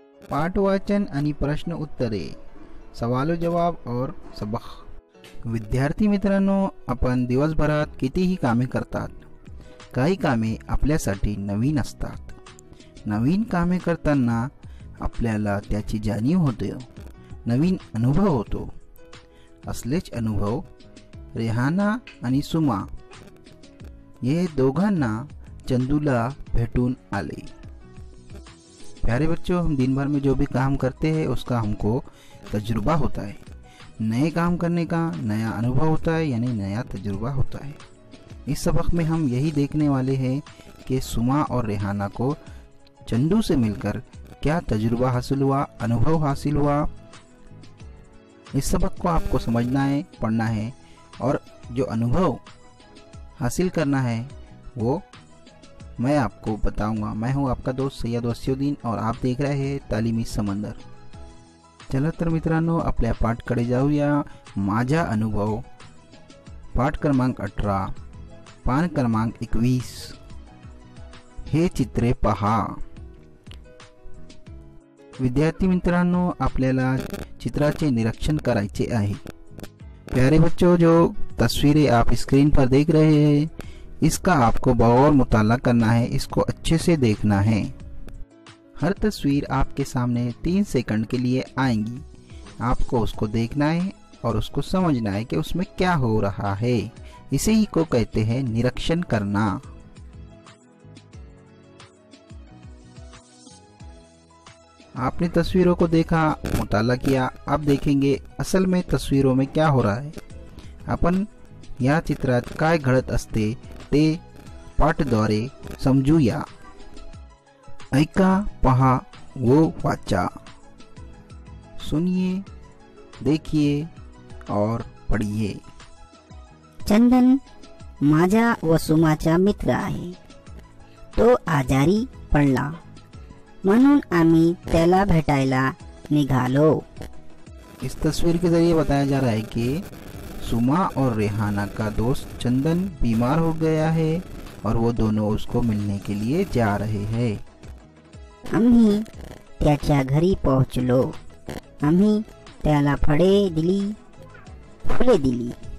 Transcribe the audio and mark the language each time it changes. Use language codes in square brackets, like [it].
[mr] पाठ वाचन आणि प्रश्न उत्तरे [hi] सवाल जवाब और सबक। [mr] विद्यार्थी मित्रांनो, आपण दिवसभरात कितीही कामे करतात, काही कामे आपल्यासाठी नवीन असतात। नवीन कामे करताना आपल्याला त्याची जाणीव होते, नवीन अनुभव होतो। असलेच अनुभव रेहाना आणि सुमा ये दोघांना चंदूला भेटून आले। [hi] प्यारे बच्चों, हम दिन भर में जो भी काम करते हैं उसका हमको तजुर्बा होता है। नए काम करने का नया अनुभव होता है, यानी नया तजुर्बा होता है। इस सबक में हम यही देखने वाले हैं कि सुमा और रेहाना को चंदू से मिलकर क्या तजुर्बा हासिल हुआ, अनुभव हासिल हुआ। इस सबक को आपको समझना है, पढ़ना है और जो अनुभव हासिल करना है वो मैं आपको बताऊंगा। मैं हूं आपका दोस्त सैयद वसीउद्दीन और आप देख रहे हैं तालीमी समंदर। [mr] चला तर मित्रांनो, आपल्या पाठकडे जाऊया। माझा अनुभव पाठ क्रमांक 18, पान क्रमांक 21। हे चित्रे पहा। विद्यार्थी मित्रांनो, आपल्याला चित्राचे निरीक्षण करायचे आहे। [hi] प्यारे बच्चों, जो तस्वीरें आप स्क्रीन पर देख रहे हैं इसका आपको बगौर मुताला करना है, इसको अच्छे से देखना है। हर तस्वीर आपके सामने 3 सेकंड के लिए आएंगी, आपको उसको देखना है और उसको समझना है कि उसमें क्या हो रहा है। इसे ही को कहते हैं निरीक्षण करना। आपने तस्वीरों को देखा, मुताला किया, अब देखेंगे असल में तस्वीरों में क्या हो रहा है। [mr] अपन या चित्रात काय घडत असते ते पाठद्वारे समजूया। ऐका पहा वो वाचा। [hi] सुनिए, देखिए और पढ़िए। [mr] चंदन माझा व सुमाचा मित्र आहे, तो आजारी पडला, म्हणून आम्ही त्याला भेटायला निघालो। [hi] इस तस्वीर के जरिए बताया जा रहा है कि सुमा और रेहाना का दोस्त चंदन बीमार हो गया है और वो दोनों उसको मिलने के लिए जा रहे हैं। [mr] आम्ही त्याच्या घरी पोहोचलो, आम्ही त्याला फळे दिली, फुले दिली।